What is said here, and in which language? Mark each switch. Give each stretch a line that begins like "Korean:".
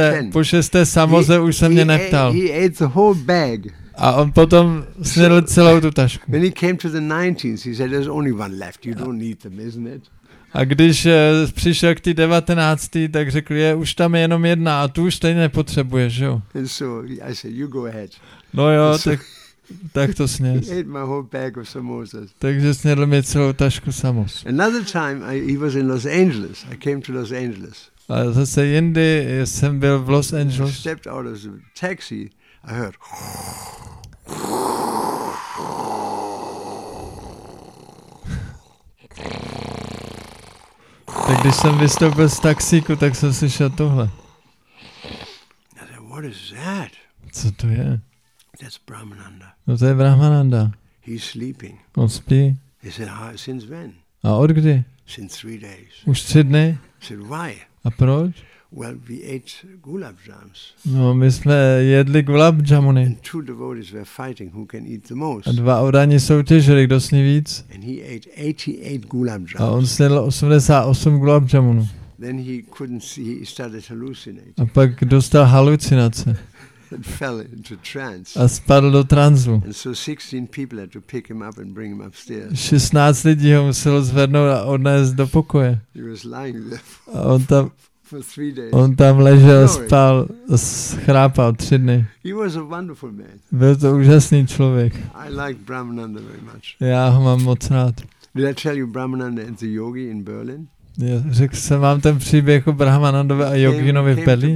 Czech: Po šesté samoze už se mě neptal.
English: He ate the whole bag.
Czech: A on potom snědl celou tu tašku.
English: When he came to the 19th, he said, there's only one left. You don't need them, isn't it?
Czech: A když přišel k tý 19., tak řekl, je, už tam je jenom jedna a tu už stejně nepotřebuješ, jo?
English: And so I said, you go ahead.
Czech: No jo, tak to snědl.
English: He ate my whole bag of samosas.
Czech: Takže snědl mi celou tašku samos.
English: Another time he was in Los Angeles. I came to Los Angeles.
Czech: A zase jindy jsem byl v Los Angeles.
English: I stepped out of the taxi. I heard.
Czech: Tak když jsem vystoupil z taxíku, tak jsem slyšel tohle.
English: I said, what is that?
Czech: Co to je?
English: That's Brahmananda.
Czech: No to je Brahmananda.
English: He's sleeping.
Czech: On spí.
English: He said, since when?
Czech: A od kdy?
English: Since 3 days.
Czech: Už 3 dny?
English: He said, why?
Czech: A proč?
English: Well, we ate gulab jams.
Czech: No, my jsme jedli gulab jamuny.
English: And two devotees were fighting who can eat the most.
Czech: A dva odaní soutěžili, kdo sní víc.
English: And he ate 88 gulab jams.
Czech: A on snědl 88 gulab jamunů.
English: Then he couldn't see, he started hallucinating.
Czech: A pak dostal halucinace.
English: And fell into trance.
Czech: A spadl do tranzu.
English: And so 16 people had to pick him up and bring him upstairs.
Czech: 16 lidí ho muselo zvednout a odnést do pokoje.
English: He was lying there.
Czech: A on tam
English: for 3 days.
Czech: On tam ležel, spal, chrápal 3 dny.
English: He was a wonderful man.
Czech: Byl to úžasný člověk.
English: I like Brahmananda very much.
Czech: Já ho mám moc rád.
English: Did I tell you Brahmananda and the yogi in Berlin?
Czech: Já řekl jsem vám ten příběh o Brahmanandovi a Yoginovi v Berlíně.